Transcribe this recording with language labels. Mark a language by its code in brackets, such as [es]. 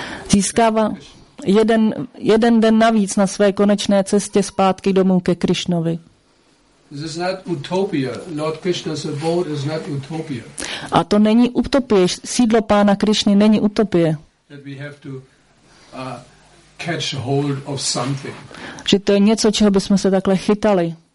[cs] Získává jeden den navíc na své konečné cestě zpátky domů ke Krišnovi. [en] This is not utopia. Lord Krishna's abode is not utopia. [cs] A to není utopie. Sídlo pána Krišny není utopie. [en] that we have to catch hold of something. [cs] Že to je něco, čeho bychom se takhle chytali.